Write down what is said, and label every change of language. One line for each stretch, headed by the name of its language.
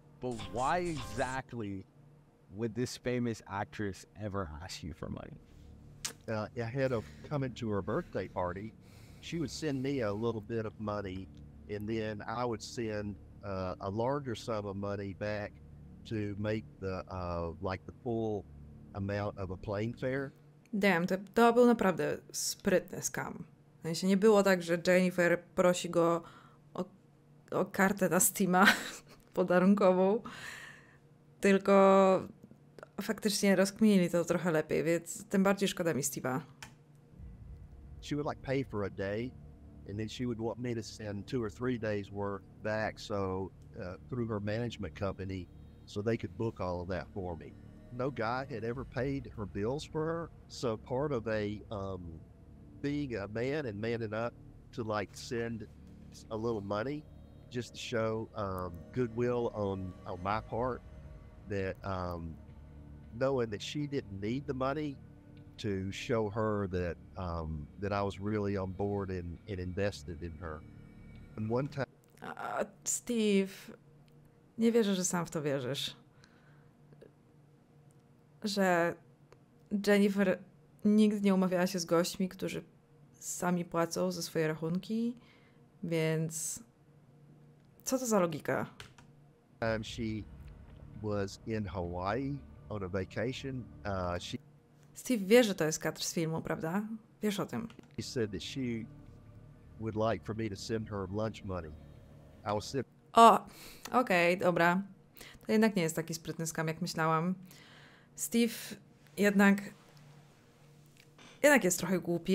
English: But why exactly would this famous actress ever ask you for money? Ahead of coming to her birthday party, she would send me a little bit of money, and then I would send a larger sum of money back to make the the full amount of a plane fare.
Polish: Damn, to był naprawdę sprytny scam. W sensie nie było tak, że Jennifer prosi go o kartę na Steama podarunkową, tylko faktycznie rozkminili to trochę lepiej, więc tym bardziej szkoda mi Steama.
English: She would like pay for a day, and then she would want me to send two or three days work back, so through her management company, so they could book all of that for me. No guy had ever paid her bills for her, so part of a being a man and manning up to like send a little money just to show goodwill on my part, that knowing that she didn't need the money to show her that that I was really on board and invested in her. And one time...
Polish: Steve, nie wierzę, że sam w to wierzysz. Że Jennifer nigdy nie umawiała się z gośćmi, którzy sami płacą za swoje rachunki, więc co to za logika?
English: She was in Hawaii on a vacation.
Polish: Steve wie, że to jest kadr z filmu, prawda? Wiesz o tym.
English: She said that she would like for me to send her lunch money. I was sent...
Polish: O, okej, dobra. To jednak nie jest taki sprytny skam, jak myślałam. Steve jednak jest trochę głupi.